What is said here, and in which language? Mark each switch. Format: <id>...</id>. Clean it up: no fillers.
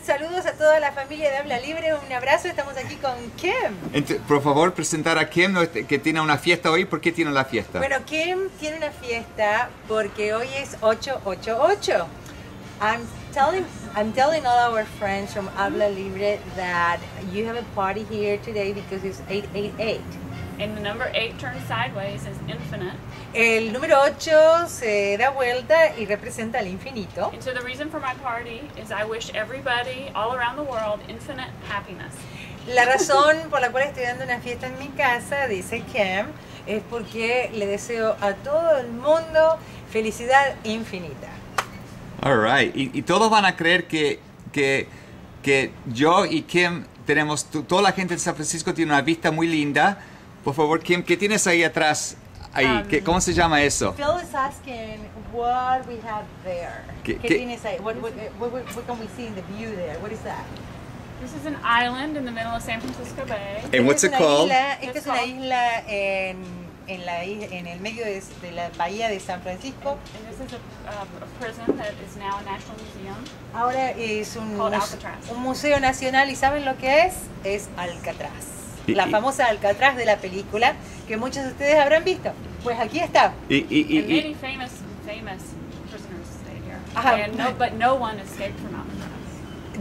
<es>Saludos a toda la familia de Habla Libre. Un abrazo, estamos aquí con Kim. Por favor, presentar a Kim, que tiene una fiesta hoy. ¿Por qué tiene la fiesta? Bueno, Kim tiene una fiesta porque hoy es 888.</es> <en>I'm telling all our friends from Habla Libre that you have a party here today because it's 888. And the number 8 turns sideways is infinite.</en> <es>El número 8 se da vuelta y representa el infinito.</es> <en>And so the reason for my party is I wish everybody all around the world infinite happiness.</en> <es>La razón por la cual estoy dando una fiesta en mi casa, dice Kim, es porque le deseo a todo el mundo felicidad infinita.</es> <en>All right.</en> <es>Y todos van a creer que yo y Kim tenemos, toda la gente de San Francisco tiene una vista muy linda. Por favor, Kim, ¿qué tienes ahí atrás? Ahí, ¿cómo se llama eso?</es> <en>Phil is asking what we have there.</en> <es>¿Qué tienes ahí?</es> <en>What can we see in the view there? What is that? This is an island in the middle of San Francisco Bay. And what's it called?</en> <es>Esta es una isla en el medio de la bahía de San Francisco.</es> <en>And this is a prison that is now a national museum.</en> <es>Ahora es</es> <en>called Alcatraz.</en> <es>Un museo nacional, ¿y saben lo que es? Es Alcatraz. La famosa Alcatraz de la película que muchos de ustedes habrán visto. Pues aquí está.</es> <en>And many famous prisoners stay here. But no one escaped from Alcatraz.</en>